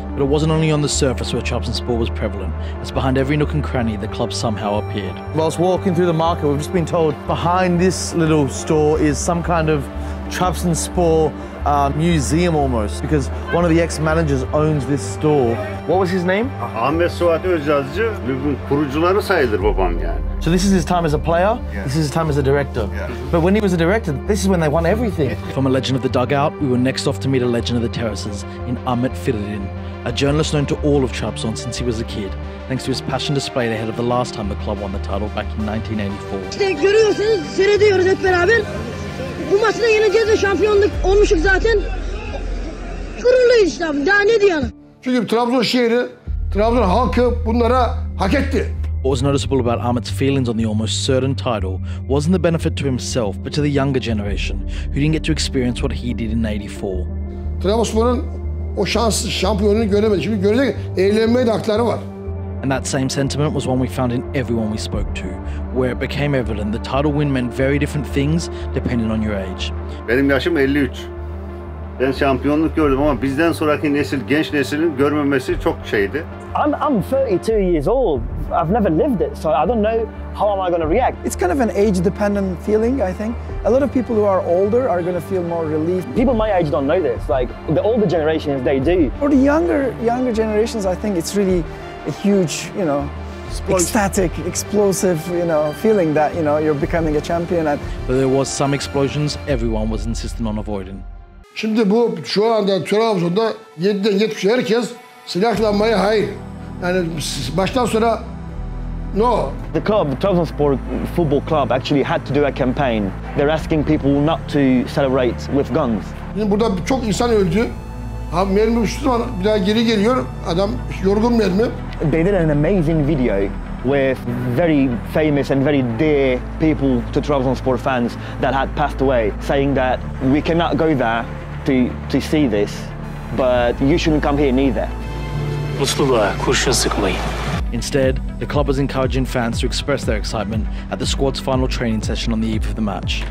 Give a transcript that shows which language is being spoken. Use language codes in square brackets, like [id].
[en] But it wasn't only on the surface where Trabzonspor was prevalent. It's behind every nook and cranny the club somehow appeared. Whilst walking through the market, we've just been told behind this little store is some kind of Trabzonspor museum almost, because one of the ex-managers owns this store. What was his name? [tr] Ahmet Suat Özyazıcı, Lübün kurucuları sayılır babam yani. [en] So this is his time as a player, yeah. This is his time as a director. Yeah. But when he was a director, this is when they won everything. From a legend of the dugout, we were next off to meet a legend of the terraces in Ahmet Firidin. A journalist known to all of Trabzon since he was a kid, thanks to his passion displayed ahead of the last time the club won the title back in 1984. [tr] İşte görüyorsunuz, seyrediyoruz hep beraber. Bu maçı da yeneceğiz de şampiyonluk olmuşuz zaten. Gururluyuz işte abi, daha ne diyelim? Çünkü Trabzon şehri, Trabzon halkı bunlara hak etti. [en] What was noticeable about Ahmet's feelings on the almost certain title wasn't the benefit to himself, but to the younger generation, who didn't get to experience what he did in 84. [tr] Trabzon'un o şans şampiyonunu göremedi. Şimdi görecek eğlenme hakları var. [en] And that same sentiment was one we found in everyone we spoke to, where it became evident the title win meant very different things depending on your age. [tr] Benim yaşım 53. Ben şampiyonluk gördüm ama bizden sonraki nesil, genç neslin görmemesi çok şeydi. [en] I'm 32 years old. I've never lived it, so I don't know how am I going to react. It's kind of an age-dependent feeling, I think. A lot of people who are older are going to feel more relieved. People my age don't know this. Like, the older generations, they do. For the younger generations, I think it's really a huge, you know, ecstatic, explosive, you know, feeling that, you know, you're becoming a champion. But there was some explosions everyone was insisting on avoiding. [tr] Şimdi bu şu anda Trabzon'da 7'den 70'e herkes silahlanmaya hayır. Yani baştan sona [en] no. The club, Trabzonspor Football Club, actually had to do a campaign. They're asking people not to celebrate with guns. [tr] Şimdi burada çok insan öldü. Ha, mermi uçtu ama bir daha geri geliyor. Adam yorgun mermi. [en] They did an amazing video with very famous and very dear people to Trabzonspor fans that had passed away, saying that we cannot go there to see this, but you shouldn't come here neither. Instead, the club is encouraging fans to express their excitement at the squad's final training session on the eve of the match.